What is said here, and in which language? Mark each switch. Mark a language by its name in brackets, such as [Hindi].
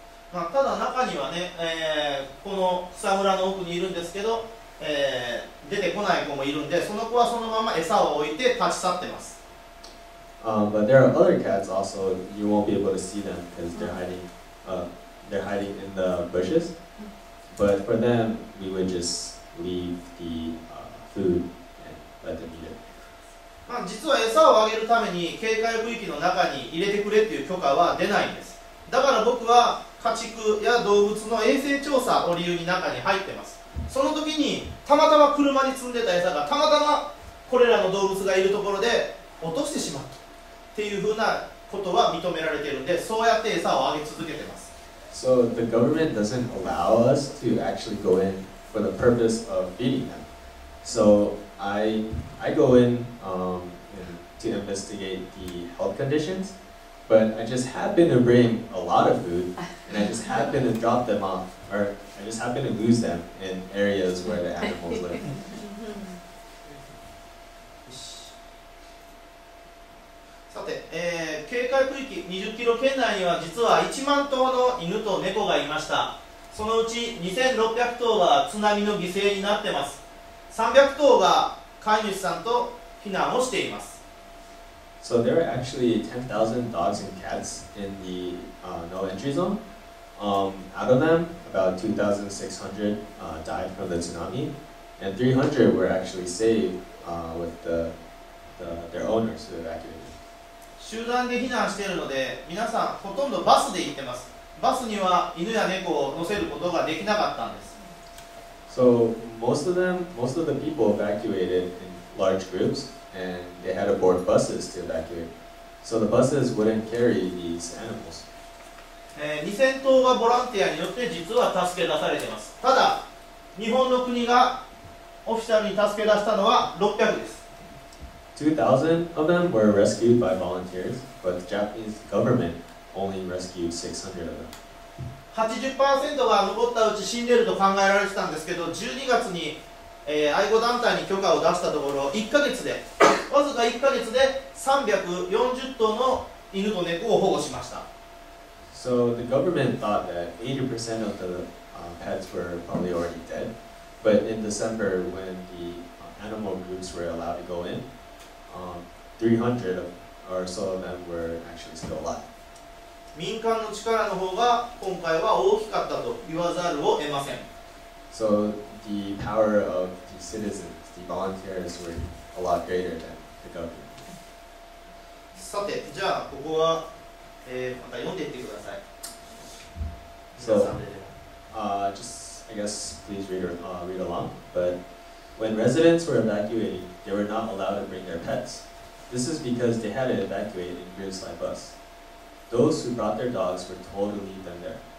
[Japanese] まあ、ただ中にはね、この草むらの奥にいるんですけど、出てこない子もいるんで、その子はそのまま餌を置いて立ち去ってます。 [English] But there are other cats also, you won't be able to see them because they're hiding in the bushes. But for them, we would just leave the food and let them eat it. [Japanese] まあ、実は餌をあげるために警戒区域の中に入れてくれっていう許可は出ないんです。だから僕は家畜や動物の衛生調査を理由に中に入ってます。その時にたまたま車に積んでた餌がたまたまこれらの動物がいるところで落としてしまったっていうふうなことは認められているんで、そうやって餌をあげ続けてます。 [English] So the government doesn't allow us to actually go in for the purpose of feeding them. So I go in to investigate the health conditions, but I just happen to bring a lot of food and I just happen to drop them off or I just happen to lose them in areas where the animals live. [Japanese] さて、警戒区域20キロ圏内には実は1万頭の犬と猫がいました。そのうち2600頭は津波の犠牲になってます。 300頭が飼い主さんと避難をしています。 [English] So there are actually 10,000 dogs and cats in the no entry zone. Out of them, about 2,600 died from the tsunami, and 300 were actually saved with their owners who evacuated. [Japanese] 集団で避難しているので、皆さんほとんどバスで行ってます。バスには犬や猫を乗せることができなかったんです。 [English] So most of the people evacuated in large groups and they had to board buses to evacuate. So the buses wouldn't carry these animals. [Japanese] 2000頭がボランティアによって実は助け出されています。ただ日本の国がオフィシャルに助け出したのは600です。 [English] 2000 of them were rescued by volunteers, but the Japanese government only rescued 600 of them. [Japanese] 80% が残ったうち死んでると考えられてたんですけど、12月に、愛護団体に許可を出したところ、わずか1ヶ月で340頭の犬と猫を保護しました。 [English] So the government thought that 80% of the pets were probably already dead, but in December, when the animal groups were allowed to go in, 300 or so of them were actually still alive. [Japanese] 民間の力の方が今回は大きかったと言わざるを得ません。 [English] So the power of the citizens, the volunteers were a lot greater than the government. [Japanese] さて、じゃあここは、また読んでいってください。 [English] So, I guess please read along. But when residents were evacuating, they were not allowed to bring their pets. This is because they had to evacuate in groups like us. Those who brought their dogs were told to leave them there.